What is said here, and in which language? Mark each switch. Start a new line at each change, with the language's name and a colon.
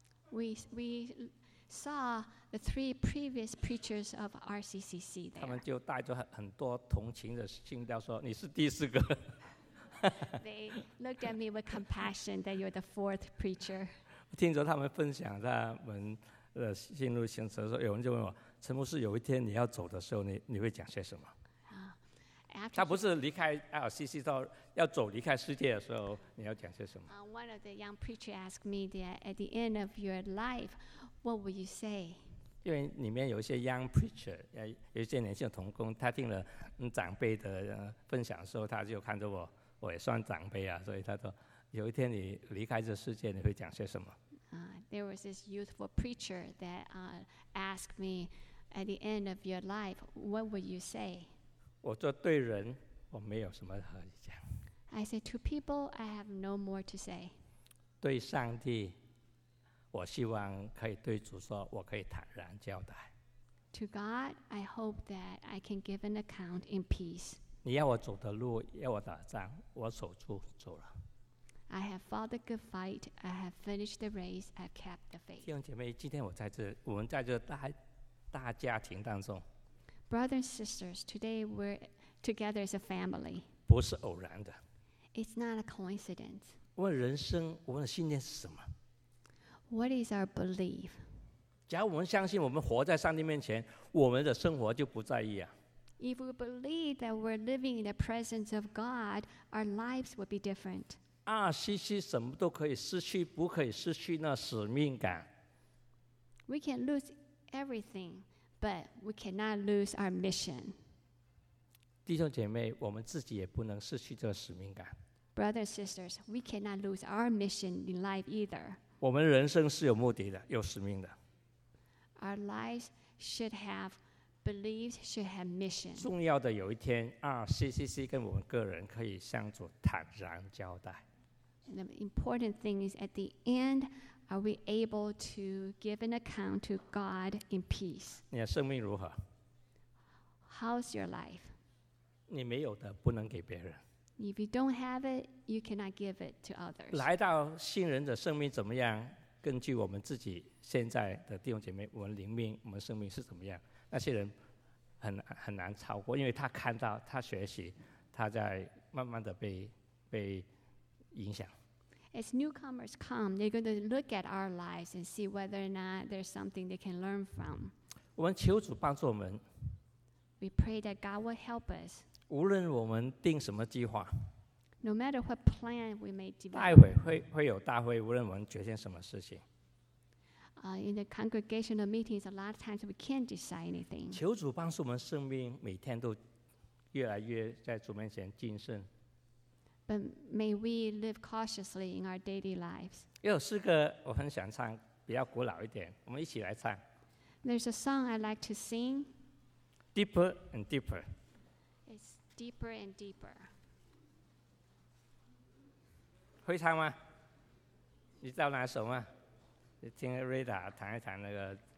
English: We saw the three previous preachers of RCCC there.
Chinese: 他们就带着很多同情的心调说：“你是第四个。
English: ”They looked at me with compassion that you're the fourth preacher.
Chinese: 听着他们分享他们的心路心得，说有人就问我：“陈牧师，有一天你要走的时候，你会讲些什么？” 他不是离开 LCC 到要走离开世界的时候，你要讲些什么？
English: One of the young preacher asked me that at the end of your life, what will you say?
Chinese: 因为里面有一些
English: young preacher，
Chinese: 有一些年轻的同工，他听了长辈的分享的时候，他就看着我也算长辈啊，所以他说，有一天你离开这世界，你会讲些什么？
English: There was this youthful preacher that asked me at the end of your life, what will you say?
Chinese: 我说对人我没有什么可以讲。
English: I say to people, I have no more to say.
Chinese: 对上帝，我希望可以对主说，我可以坦然交代。
English: To God, I hope that I can give an account in peace.
Chinese: 你要我走的路，要我打仗，我守住走了。
English: I have fought the good fight. I have finished the race. I've kept the faith.
Chinese: 弟兄姐妹，今天我在这，我们在这大家庭当中。
English: Brothers and sisters, today we're together as a family.
Chinese: 不是偶然的。
English: It's not a coincidence.
Chinese: 问人生，我们的信念是什么？
English: What is our belief?
Chinese: 假如我们相信我们活在上帝面前，我们的生活就不在意啊。
English: If we believe that we're living in the presence of God, our lives would be different.
Chinese: RCC 什么都可以失去，不可以失去那使命感。
English: We can lose everything. But we cannot lose our mission.
Chinese: 弟兄姐妹，我们自己也不能失去这个使命感。
English: Brothers and sisters, we cannot lose our mission in life either.
Chinese: 我们人生是有目的的，有使命的。
English: Our lives should have beliefs, should have mission.
Chinese: 重要的有一天，CCC 跟我们个人可以向主坦然交代。
English: The important thing is at the end, are we able to give an account to God in peace?
Chinese: 你的生命如何？
English: How's your life?
Chinese: 你没有的，不能给别人。
English: If you don't have it, you cannot give it to others.
Chinese: 来到新人的生命怎么样？根据我们自己现在的弟兄姐妹，我们灵命，我们生命是怎么样？那些人很难超过，因为他看到，他学习，他在慢慢的被影响。
English: As newcomers come, they're going to look at our lives and see whether or not there's something they can learn from.
Chinese: 我们求主帮助我们。
English: We pray that God will help us.
Chinese: 无论我们定什么计划。
English: No matter what plan we may develop.
Chinese: 待会会有大会，无论我们决定什么事情。
English: In the congregational meetings, a lot of times we can't decide anything.
Chinese: 求主帮助我们生命每天都越来越在主面前谨慎。
English: But may we live cautiously in our daily lives.
Chinese: 有四个我很想唱，比较古老一点，我们一起来唱。
English: There's a song I like to sing. Deeper and deeper. It's deeper and deeper.
Chinese: 会唱吗？你知道哪首吗？你听 Rita 弹一弹那个。